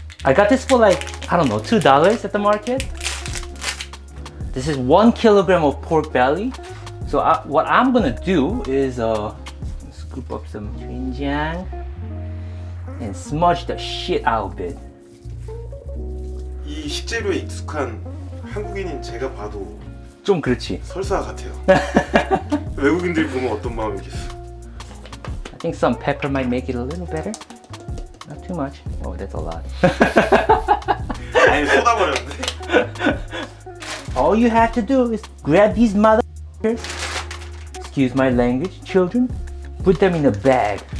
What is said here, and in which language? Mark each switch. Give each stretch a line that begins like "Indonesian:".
English: I got this for like, I don't know, $2 at the market. This is 1 kilogram of pork belly. So what I'm gonna do is scoop up some doenjang and smudge the shit out of it.
Korean: 이 식재료에 익숙한 한국인인 제가 봐도 좀 그렇지. 설사 같아요. 외국인들이 보면 어떤 마음이겠어?
English: I think some pepper might make it a little better. Not too much. Oh, that's a lot.
Korean: 아니, 쏟아버렸네.
English: All you have to do is grab these motherfuckers. Excuse my language, children. Put them in a bag.